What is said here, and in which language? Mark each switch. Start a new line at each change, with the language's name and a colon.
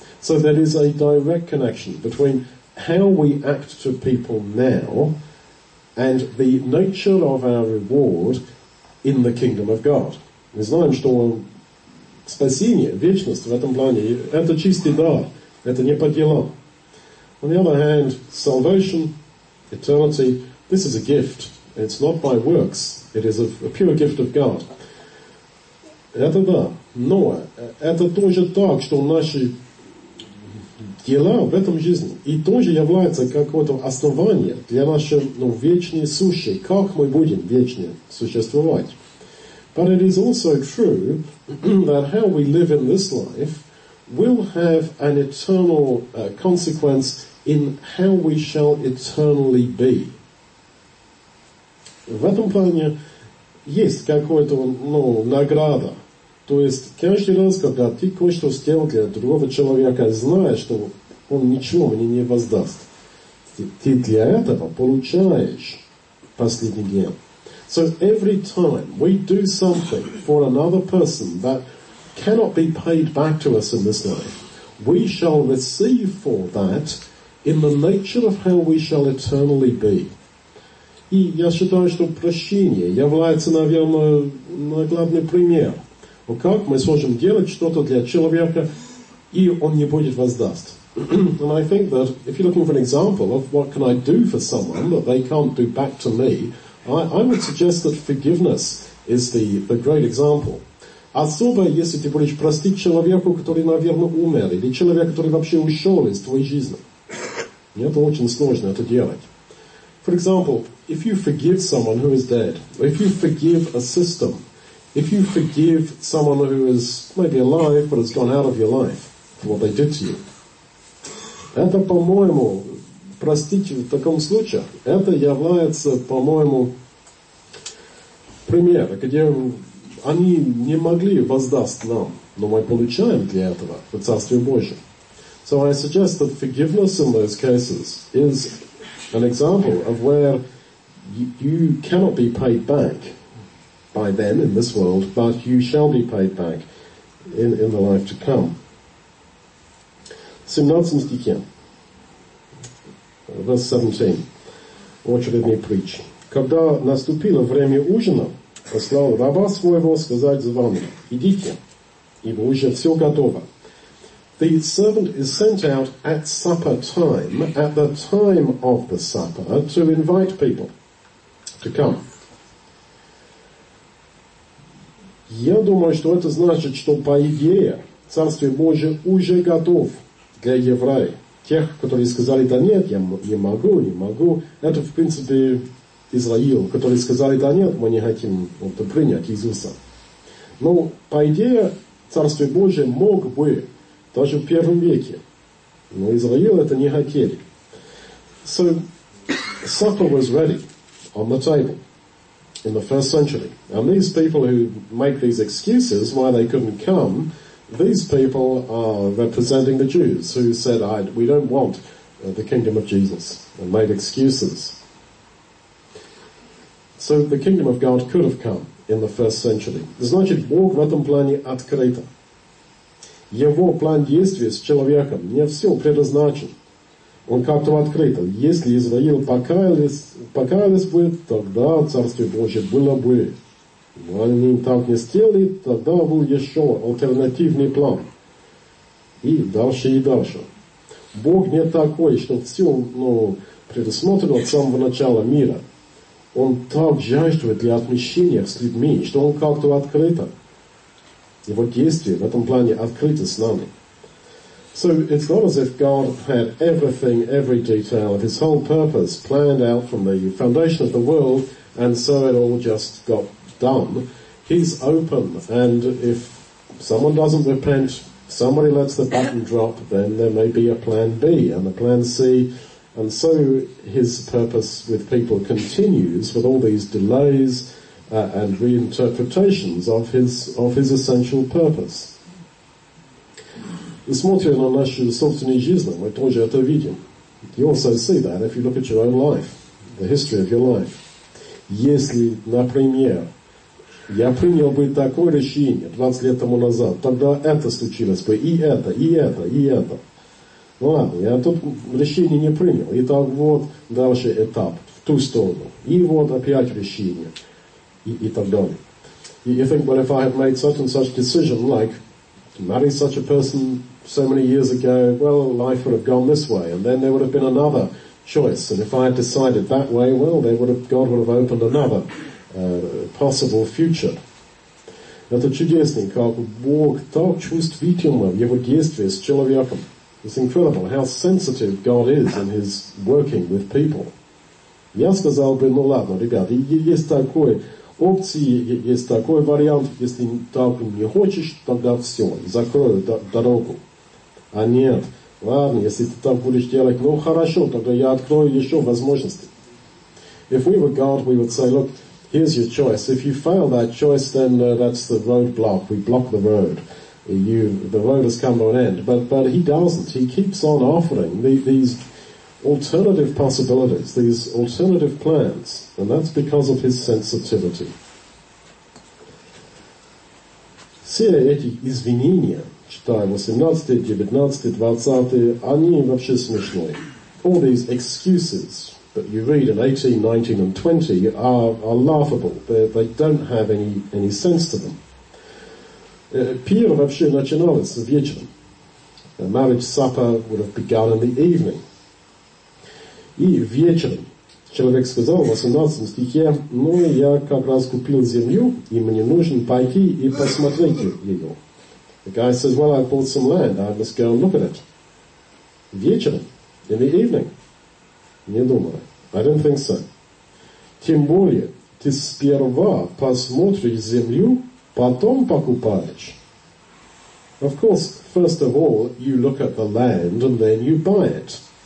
English: So there is a direct connection between how we act to people now and the nature of our reward in the kingdom of God.
Russian: Мы знаем, что спасение, вечность в этом плане, это чистый дар, это не по делам.
English: On the other hand, salvation, eternity, this is a gift. It's not by works. It is a pure gift of God.
Russian: Это да. Но это тоже так, что наши дела в этом жизни и тоже является какое-то основание для нашей, ну, вечной сущей, как мы будем вечно существовать.
English: But it is also true that how we live in this life will have an eternal consequence in how we shall eternally be.
Russian: В этом плане есть какое-то, ну, награда. То есть каждый раз, когда ты кое-что сделал для другого человека, знаешь, что он ничего мне не воздаст, ты для этого получаешь последний день.
English: So every time we do something for another person that cannot be paid back to us in this life, we shall receive for that in the nature of how we shall eternally be.
Russian: И я считаю, что прощение является, наверное, наглядный пример. Но как мы сможем делать что-то для человека, и он не будет воздаст?
English: And I think that if you're looking for an example of what can I do for someone that they can't do back to me, I would suggest that forgiveness is the great example.
Russian: Особо, если ты будешь простить человеку, который, наверное, умер, или человек, который вообще ушел из твоей жизни. Это очень сложно это делать.
English: For example, if you forgive someone who is dead, or if you forgive a system, if you forgive someone who is maybe alive, but has gone out of your life for what they did to you.
Russian: Это, по-моему, простить в таком случае, это является, по-моему, пример, где они не могли воздаст нам, но мы получаем для этого в Царстве Божьем.
English: So I suggest that forgiveness in those cases is an example of where you cannot be paid back by them in this world, but you shall be paid back in the life to come.
Russian: 17 стихе.
English: Verse 17.
Russian: Очередный притч. Когда наступило время ужина, послал раба своего сказать за вами, идите, ибо уже все готово.
English: The servant is sent out at supper time, at the time of the supper, to invite people to come.
Russian: Я думаю, что это значит, что по идее Царствие Божие уже готов для евреев. Тех, которые сказали, да нет, я не могу, не могу. Это, в принципе, Израил, которые сказали, да нет, мы не хотим принять Иисуса. Но, по идее, Царствие Божие мог бы даже в первом веке. Но Израил это не хотели.
English: So, supper was ready on the table in the first century. And these people who make these excuses why they couldn't come, these people are representing the Jews who said, we don't want the kingdom of Jesus, and made excuses. So the kingdom of God could have come in the first century.
Russian: Значит, Бог в этом плане открыто. Его план действия с человеком не все предназначен. Он как-то открыто. Если Израил покаялись бы, тогда Царствие Божие было бы. Но они так не сделали, тогда был еще альтернативный план. И дальше, и дальше. Бог не такой, что все предусмотрено от самого начала мира. Он так жаждет для отмещения с людьми, что он как-то открыто. Его действие в этом плане открыто с нами.
English: So it's not as if God had everything, every detail of his whole purpose planned out from the foundation of the world, and so it all just got done. He's open, and if someone doesn't repent, somebody lets the button drop, then there may be a plan B and a plan C, and so his purpose with people continues with all these delays and reinterpretations of his essential purpose.
Russian: Мы смотрим на нашу собственную жизнь, мы тоже это видим.
English: You also see that if you look at your own life, the history of your life.
Russian: Если, например, я принял бы такое решение 20 лет тому назад, тогда это случилось бы, и это, и это, и это. Ну ладно, я тут решение не принял. И так вот дальше этап, в ту сторону. И вот опять решение. И так далее.
English: You think, well, if I had made such and such decision, like to marry such a person so many years ago, well, life would have gone this way, and then there would have been another choice. And if I had decided that way, well, God would have opened another possible future.
Russian: Это чудесно, как Бог так чувствительно в его действии с человеком.
English: It's incredible how sensitive God is in his working with people.
Russian: Я сказал бы, ну ладно, ребята, есть такой опции, есть такой вариант, если так не хочешь, тогда все, закрою дорогу. А нет, ладно, если ты так будешь делать, ну хорошо, тогда я открою еще возможности.
English: If we were God, we would say, look, here's your choice. If you fail that choice, then that's the roadblock. We block the road. The road has come to an end. But he doesn't. He keeps on offering these alternative possibilities, these alternative plans. And that's because of his sensitivity.
Russian: Все эти извинения, читаем 18, 19, 20, они вообще смешные.
English: All these excuses that you read in 18, 19, and 20 are laughable. They don't have any sense to them.
Russian: Пир вообще начиналось вечером.
English: A marriage supper would have begun in the evening.
Russian: И вечером, человек сказал в 18 стихе, ну, я как раз купил землю, и мне нужно пойти и посмотреть ее.
English: The guy says, well, I bought some land, I must go and look at it.
Russian: Вечером?
English: In the evening?
Russian: Не думаю.
English: I don't think so.
Russian: Тем более, ты сперва посмотришь землю, потом покупаешь.
English: Of course, first of all, you look at the land and then you buy it.